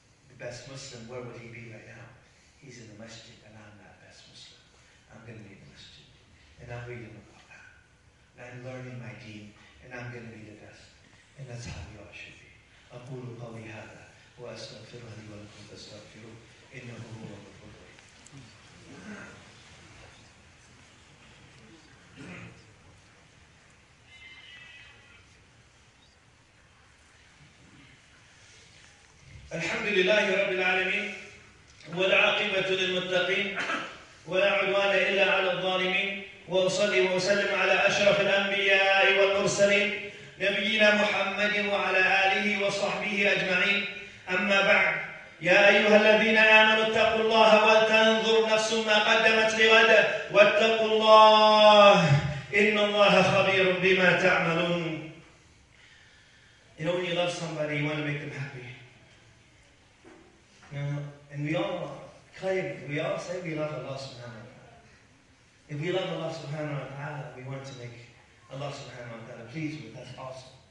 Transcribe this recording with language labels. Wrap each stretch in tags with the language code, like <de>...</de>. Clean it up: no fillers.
<en>The best Muslim, where would he be right now? He's in the masjid, and I'm that best Muslim. I'm going to be in the masjid. And I'm reading the Quran. And I'm learning my deen, and I'm going to be the best. And that's how we all should be.</en> <ar>أقول قولي هذا وأستغفر لي ولكم فاستغفروا إنه هو الغفور الرحيم. الحمد لله رب العالمين والعاقبة للمتقين ولا عدوان إلا على الظالمين وأصلي وأسلم على أشرف الأنبياء والمرسلين نبينا محمد وعلى آله وصحبه أجمعين. أما بعد، يا أيها الذين آمنوا اتقوا الله ولتنظر نفس ما قدمت لغد واتقوا الله إن الله خبير بما تعملون.</ar> <en>You know, when you love somebody, you want to make them happy. And we all claim, we all say we love Allah subhanahu wa ta'ala. If we love Allah subhanahu wa ta'ala, we want to make Allah subhanahu wa ta'ala pleased with us also.</en>